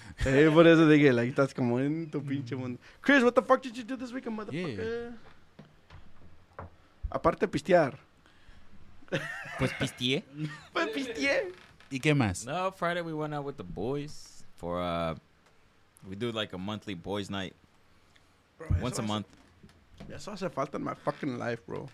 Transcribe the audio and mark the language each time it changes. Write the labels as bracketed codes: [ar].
[es] Hey, por eso dije, estás como en tu pinche mundo. [en] Chris, what the fuck did you do this weekend, motherfucker? Yeah. [es] Aparte de pistear. Pues pistié. Pues pistié. ¿Y qué más? [en] No, Friday we went out with the boys for, we do a monthly boys night. Bro, once a month. [es] Eso hace falta [en] in my fucking life, bro.